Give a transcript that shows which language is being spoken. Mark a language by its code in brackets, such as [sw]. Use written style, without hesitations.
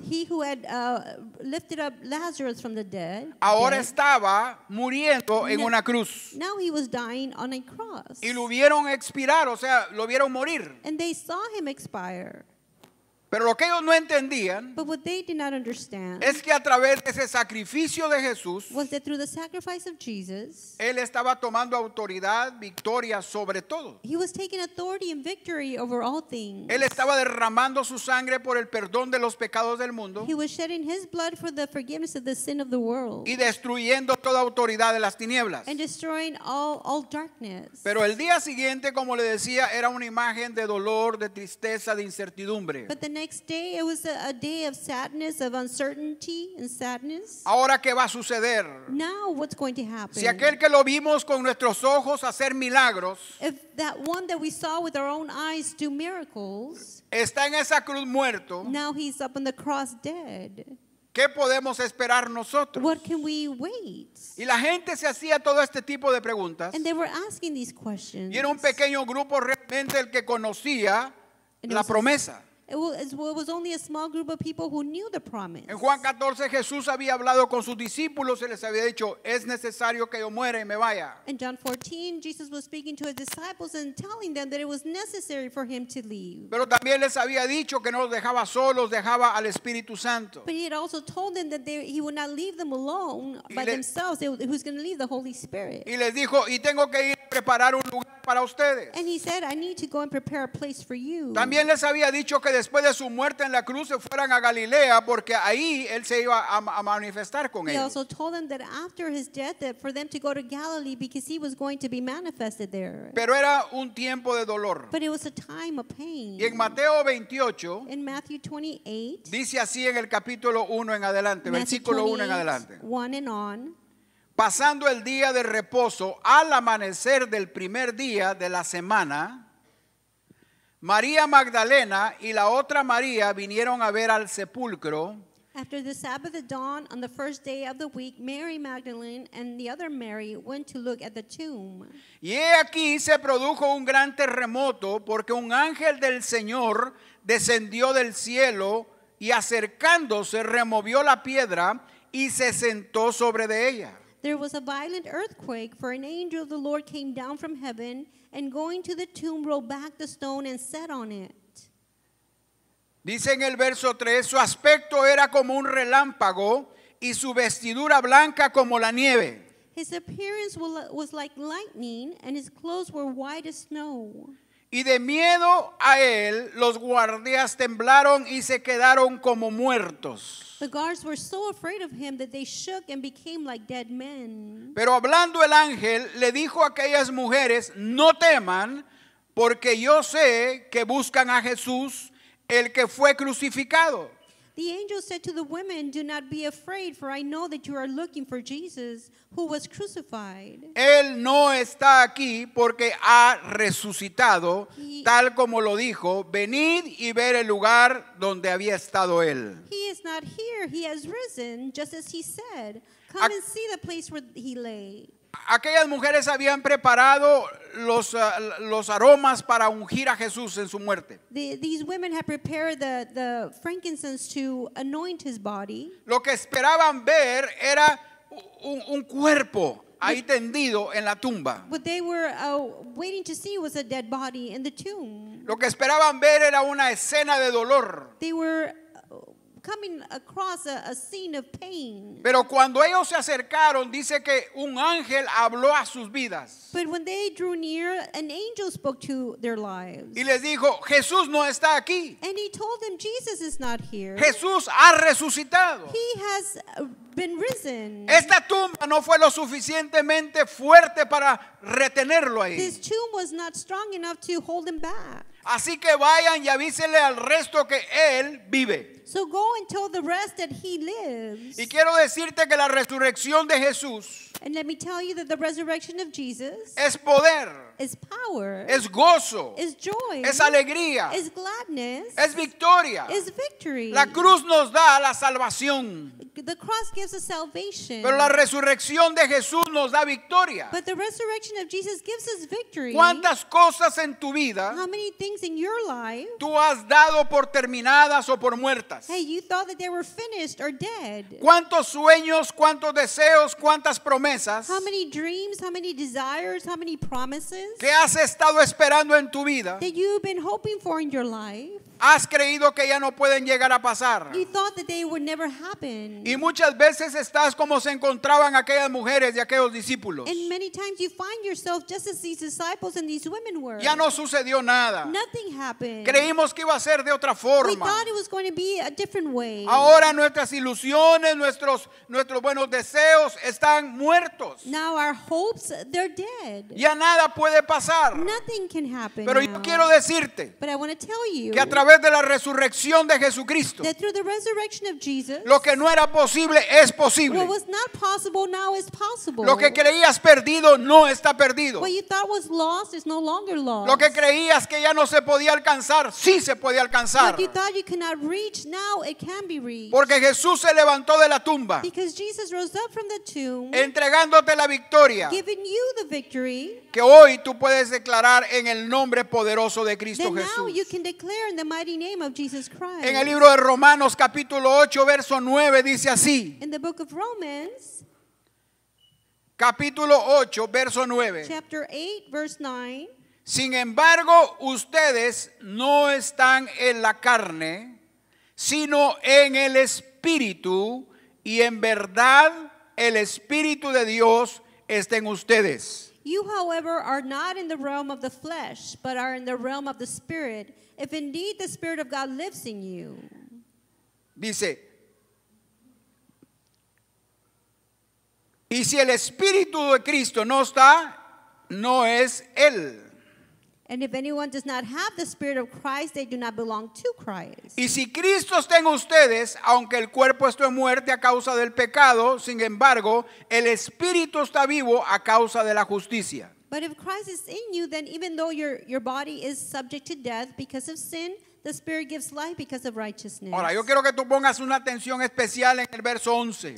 [en] he who had lifted up Lazarus from the dead, [es] ahora estaba muriendo en una cruz. [en] Now he was dying on a cross. [es] Y lo vieron expirar, o sea, lo vieron morir. [en] And they saw him expire. [es] Pero lo que ellos no entendían, [en] but what they did not understand, [es] es que a través de ese sacrificio de Jesús, [en] was that through the sacrifice of Jesus, [es] él estaba tomando autoridad, victoria sobre todo. [en] He was taking authority and victory over all things. [es] Él estaba derramando su sangre por el perdón de los pecados del mundo. [en] He was shedding his blood for the forgiveness of the sin of the world. [es] Y destruyendo toda autoridad de las tinieblas. [en] And destroying all darkness. [es] Pero el día siguiente, como le decía, era una imagen de dolor, de tristeza, de incertidumbre. [en] The next day, it was a day of sadness, of uncertainty and sadness. [es] Ahora, ¿qué va a suceder? [en] Now, what's going to happen? [es] Si aquel que lo vimos con nuestros ojos hacer milagros, [en] if that one that we saw with our own eyes do miracles, [es] está en esa cruz muerto, [en] now he's up on the cross dead. [es] ¿Qué podemos esperar nosotros? [en] What can we wait? [es] Y la gente se hacía todo este tipo de preguntas. [en] And they were asking these questions. [es] Y era un pequeño grupo realmente el que conocía la promesa. [en] It was only a small group of people who knew the promise. [es] En Juan 14, Jesús había hablado con sus discípulos y les había dicho, es necesario que yo muera y me vaya. [en] In John 14, Jesus was speaking to his disciples and telling them that it was necessary for him to leave. [es] Pero también les había dicho que no los dejaba solos, dejaba al Espíritu Santo. [en] But he had also told them that he would not leave them alone by themselves, who's going to leave the Holy Spirit. [es] Y les dijo, y tengo que ir a preparar un lugar para ustedes. [en] And he said, I need to go and prepare a place for you. [es] También les había dicho que después de su muerte en la cruz se fueran a Galilea porque ahí él se iba a manifestar con ellos. [en] He also told them that after his death that for them to go to Galilee because he was going to be manifested there. [es] Pero era un tiempo de dolor. [en] But it was a time of pain. [es] Y en Mateo 28, [en] in Matthew 28, [es] dice así en el capítulo 1 en adelante, [en] Matthew [es] versículo 1 en adelante. [en] 1 and on. [es] Pasando el día de reposo al amanecer del primer día de la semana, María Magdalena y la otra María vinieron a ver al sepulcro. [en] After the Sabbath at dawn on the first day of the week, Mary Magdalene and the other Mary went to look at the tomb. [es] Y aquí se produjo un gran terremoto porque un ángel del Señor descendió del cielo y acercándose removió la piedra y se sentó sobre de ella. [en] There was a violent earthquake, for an angel of the Lord came down from heaven and going to the tomb rolled back the stone and sat on it. [es] Dice en el verso 3, su aspecto era como un relámpago y su vestidura blanca como la nieve. [en] His appearance was like lightning and his clothes were white as snow. [es] Y de miedo a él, los guardias temblaron y se quedaron como muertos. [en] The guards were so afraid of him that they shook and became like dead men. [es] Pero hablando el ángel, le dijo a aquellas mujeres, no teman, porque yo sé que buscan a Jesús, el que fue crucificado. [en] The angel said to the women, do not be afraid, for I know that you are looking for Jesus, who was crucified. [es] Él no está aquí porque ha resucitado, tal como lo dijo, venid y ver el lugar donde había estado él. [en] He is not here, he has risen, just as he said, come and see the place where he lay. [es] aquellas mujeres habían preparado los aromas para ungir a Jesús en su muerte. [en] These women had prepared the frankincense to anoint his body. [es] Lo que esperaban ver era un cuerpo ahí tendido en la tumba. [en] What they were waiting to see was a dead body in the tomb. [es] Lo que esperaban ver era una escena de dolor. [en] They were coming across a scene of pain. [es] Pero cuando ellos se acercaron, dice que un ángel habló a sus vidas. [en] But when they drew near, an angel spoke to their lives. [es] Y les dijo, Jesús no está aquí. [en] And he told them, Jesus is not here. [es] Jesús ha resucitado. [en] He has been risen. [es] Esta tumba no fue lo suficientemente fuerte para retenerlo ahí. [en] This tomb was not strong enough to hold him back. [es] Así que vayan y avísenle al resto que él vive. [en] So go and tell the rest that he lives. [es] Y quiero decirte que la resurrección de Jesús, [en] and let me tell you that the resurrection of Jesus, [es] es poder, [en] is power, [es] es gozo, [en] is joy, [es] es alegría, [en] is gladness, [es] es victoria, [en] is victory. [es] La cruz nos da la salvación. [en] The cross gives us salvation. [es] Pero la resurrección de Jesús nos da victoria. [en] But the resurrection of Jesus gives us victory. [es] ¿Cuántas cosas en tu vida, [en] how many things in your life, [es] tú has dado por terminadas o por muertas? [en] Hey, you thought that they were finished or dead. [es] ¿Cuántos sueños, cuántos deseos, cuántas promesas, [en] how many dreams, how many desires, how many promises, [es] que has estado esperando en tu vida, [en] that you've been hoping for in your life, [es] has creído que ya no pueden llegar a pasar? [en] You thought that they would never happen. [es] Y muchas veces estás como se encontraban aquellas mujeres y aquellos discípulos. [en] And many times you find yourself just as these disciples and these women were. [es] Ya no sucedió nada. [en] Nothing happened. [es] Creímos que iba a ser de otra forma. [en] We thought it was going to be a different way. [es] Ahora nuestras ilusiones, nuestros buenos deseos están muertos. [en] Now our hopes, they're dead. [es] Ya nada puede pasar. [en] Nothing can happen. [es] Pero [en] now, [es] yo quiero decirte, [en] but I want to tell you, [es] que a través de la resurrección de Jesucristo, [en] that through the resurrection of Jesus, [es] lo que no era posible es posible. [en] What was not possible now is possible. [es] Lo que creías perdido no está perdido. [en] What you thought was lost is no longer lost. [es] Lo que creías que ya no se podía alcanzar, sí se puede alcanzar. [en] What you thought you cannot reach, now it can be reached. [es] Porque Jesús se levantó de la tumba. [en] Because Jesus rose up from the tomb, [es] entregándote la victoria, [en] giving you the victory, [es] que hoy tú puedes declarar en el nombre poderoso de Cristo Jesús. [en] Now you can declare in the mighty name of Jesus Christ. [es] En el libro de Romanos capítulo 8 verso 9 dice así. [en] In the book of Romans, [es] capítulo 8, verso 9. [en] Chapter 8, verse 9. [es] Sin embargo, ustedes no están en la carne, sino en el Espíritu, y en verdad el Espíritu de Dios está en ustedes. [en] You, however, are not in the realm of the flesh, but are in the realm of the Spirit, if indeed the Spirit of God lives in you. [es] Dice, y si el Espíritu de Cristo no está, no es Él. [en] And if anyone does not have the Spirit of Christ, they do not belong to Christ. [es] Y si Cristo está en ustedes, aunque el cuerpo esté muerto a causa del pecado, sin embargo, el Espíritu está vivo a causa de la justicia. [en] But if Christ is in you, then even though your body is subject to death because of sin, the Spirit gives life because of righteousness. [es] Ahora, yo quiero que tú pongas una atención especial en el verso 11.